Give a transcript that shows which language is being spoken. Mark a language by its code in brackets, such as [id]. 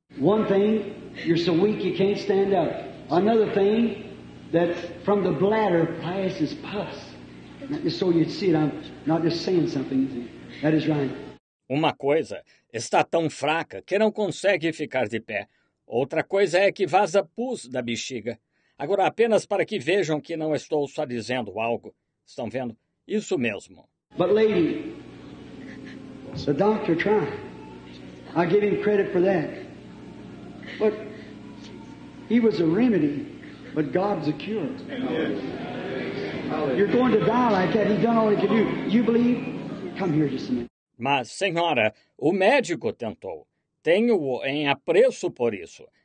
[en] One thing, you're so weak you can't stand up. Another thing, that from the bladder passes pus. So you see it, I'm not just saying something. That is right. [pt] Uma coisa está tão fraca que não consegue ficar de pé. Outra coisa é que vaza pus da bexiga. Agora, apenas para que vejam que não estou só dizendo algo. Estão vendo? Isso mesmo. [en] But lady, the doctor tried. I give him credit for that. But he was a remedy, but God's a cure. You're going to die like that. He's done all he could do. You believe? Come here just a minute. [pt] Mas, senhora, o médico tentou. Tenho-o em apreço por isso.